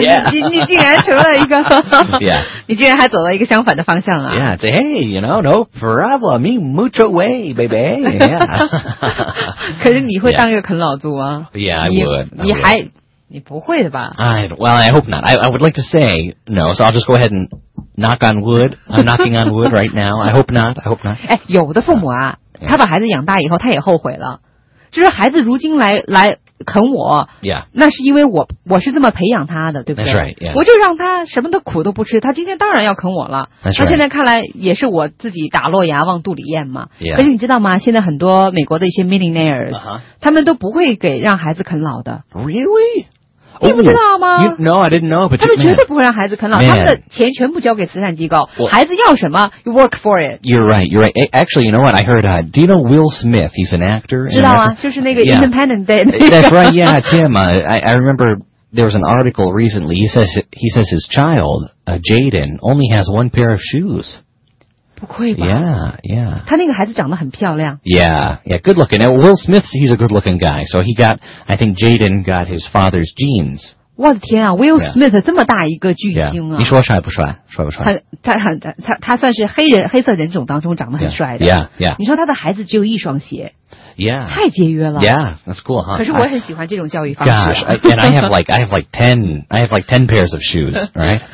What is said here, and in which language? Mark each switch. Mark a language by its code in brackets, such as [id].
[zh] 你竟然成了一个你竟然还走了一个相反的方向啊。 [en] Yeah, say, hey, you know, no problem, me mucho way, baby. Yeah. [zh] 可是你会当一个啃老族啊。 [en] Yeah, I would. [zh] 你还你不会的吧 [en] I hope not. I would like to say no, so I'll just go ahead and knock on wood. I'm knocking on wood right now. I hope not. [zh] 哎，有的父母啊、他把孩子养大以后他也后悔了。就是孩子如今来啃我、 [en] yeah. [zh] 那是因为我是这么培养他的，对不对？ [en] That's right, yeah. [zh] 我就让他什么的苦都不吃，他今天当然要啃我了。 [en] That's right. [zh] 那现在看来也是我自己打落牙往肚里咽嘛。 [en] Yeah. [zh] 而且你知道吗，现在很多美国的一些 millionaires、 [en] uh-huh. [zh] 他们都不会给让孩子啃老的。 [en] Really? [zh] 你不知道吗、 [en] no, I didn't know, but [zh] 他们绝对不会让孩子啃老 [en] man, [zh] 他们的钱全部交给慈善机构 [en] well, [zh] 孩子要什么 [en] you work for it. You're right. Actually, you know what? I heard, do you know Will Smith? He's an actor. [zh] 知道啊，就是那个 Independence Day、 [en] yeah. [zh] 那个、 [en] That's right, yeah, Tim. I remember there was an article recently. He says his child, Jaden, only has one pair of shoes. [zh] 不愧吧 [en] yeah. [zh] 他那个孩子长得很漂亮 [en] yeah, good looking. Now, Will Smith, he's a good looking guy. So he got, I think Jaden got his father's genes. [zh] 我的天啊 Will Smith、 [en] yeah. [zh] 这么大一个巨星啊、 yeah. 你说帅不帅？帅不帅？他算是黑色人种当中长得很帅的 [en] yeah. [zh] 你说他的孩子只有一双鞋 [en] yeah. [zh] 太节约了 [en] yeah, that's cool, huh? [zh] 可是我很喜欢这种教育方式、 [en] gosh, and I have like 10 pairs of shoes, right?